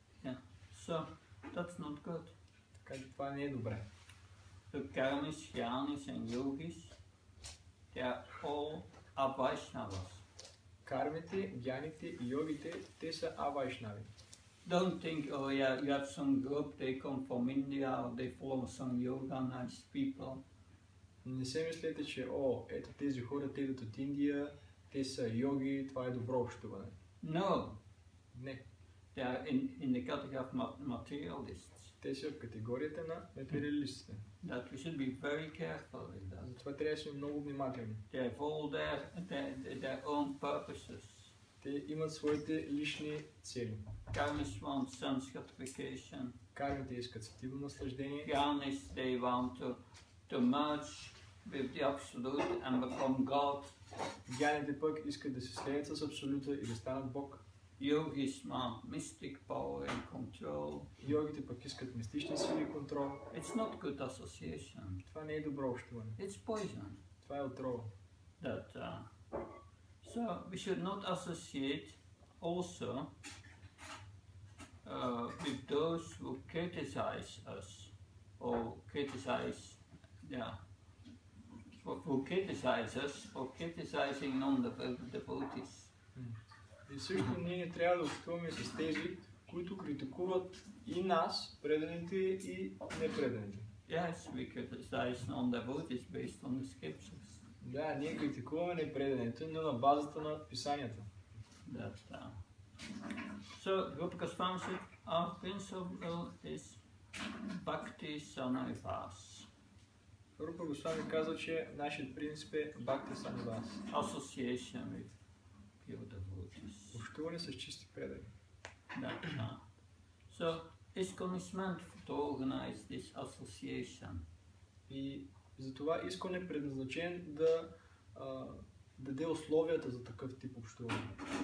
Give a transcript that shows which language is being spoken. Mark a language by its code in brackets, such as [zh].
[en] Yeah. So, that's not good. [bg] Така че това не е добре. [en] The karmis, jnanis and yogis, they are all avaishnavas. [bg] Кармите, гьяните и йогите, те са авайшнави. [en] Don't think, oh yeah, you have some group, they come from India, or they follow some yoga, nice people. [bg] Не се мислете, че, о, ето тези хора, те идват от Индия, те са йоги, това е добро общуване. [en] No. [bg] Не. [en] They are in the category of materialists. [bg] Те са в категорията на материалистите. [en] That we should be very careful with that. [bg] Затова трябва да сме много внимателни. [en] They have all their own purposes. [bg] Те имат своите лични цели. [en] Karmis want sense gratification. [bg] Кармите искат сетивно наслаждение. [en] Jnanis, they want to merge with the Absolute and become God. [bg] Jnanite пък искат да се слеят с Абсолюта и да станат Бог. [en] Yogis want mystic power and control. [bg] Йогите пък искат мистични сили и контрол. [en] It's not good association. [bg] Това не е добро общуване. [en] It's poison. [bg] Това е отрова. [en] That, so we should not associate also with those who criticize us or criticize us for criticizing non-devotees. [bg] И също ние не трябва да общуваме с тези, които критикуват и нас, преданите и непреданите. [en] Yes, we criticize non-devotees based on the scriptures. [bg] Да, ние критикуваме непреданите, но на базата на писанията. Да, да. [en] So, Rupa Goswami said, our principle is Bhakti Sannivas. [bg] Rupa Goswami каза, че нашият принцип е Bhakti Sannivas. [en] Association with pure devotees. [bg] Общуване с чисти предани. Да, да. [en] So, ISKCON is meant to organize this association. [bg] И затова ISKCON е предназначен да даде условията за такъв тип общуване.